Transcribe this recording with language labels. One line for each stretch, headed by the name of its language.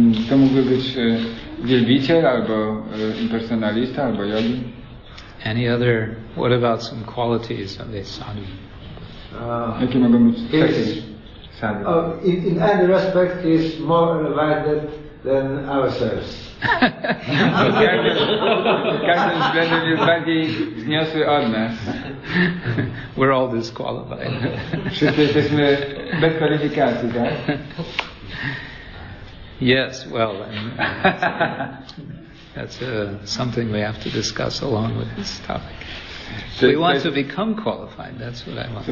Polish: To mógłby być wielbiciel, albo impersonalista, albo yogi.
English: Any other, what about some qualities of this sadhu?
Polish: Jakie mogą być cechy sadhu?
English: In any respect, he's more elevated than ourselves.
Polish: W każdym względem jest bardziej zniosły od nas.
English: We're all disqualified.
Polish: Wszyscy jesteśmy bez kwalifikacji, tak?
English: Yes, well, that's something we have to discuss along with this topic. We want to become qualified, that's what I want to